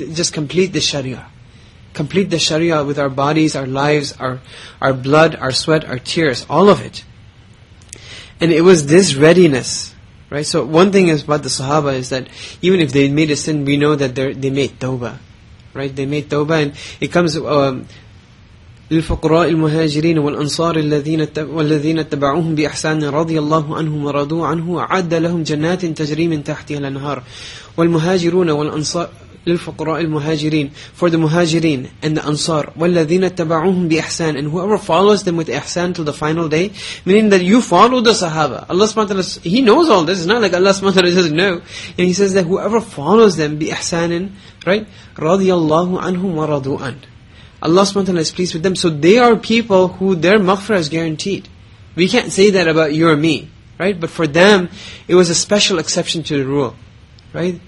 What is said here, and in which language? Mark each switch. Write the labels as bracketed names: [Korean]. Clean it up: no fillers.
[English] Just complete the Sharia with our bodies, our lives, our blood, our sweat, our tears, all of it. And it was this readiness, right? So one thing is about the Sahaba is that even if they made a sin, we know that they made tawbah, right? They made tawbah, and it comes [Arabic] للفقراء المهاجرين والأنصار الذين اتبعوهم بإحسان رضي الله عنهم ورضوا عنه وأعد لهم جنات تجري من تحتها الأنهار والمهاجرون والأنصار للفقراء المهاجرين for the مهاجرين and the أنصار والذين اتبعوهم بإحسان [English] and whoever follows them with [Arabic] إحسان [English] till the final day, meaning that you follow the Sahaba. Allah subhanahu wa ta'ala, He knows all this. It's not like Allah subhanahu wa ta'ala doesn't know. And He says that whoever follows them بإحسان, right, [Arabic] رضي الله عنهم ورضوا عنه, [English] Allah subhanahu wa ta'ala is pleased with them. So they are people who their maghfirah is guaranteed. We can't say that about you or me, right? But for them, it was a special exception to the rule, right?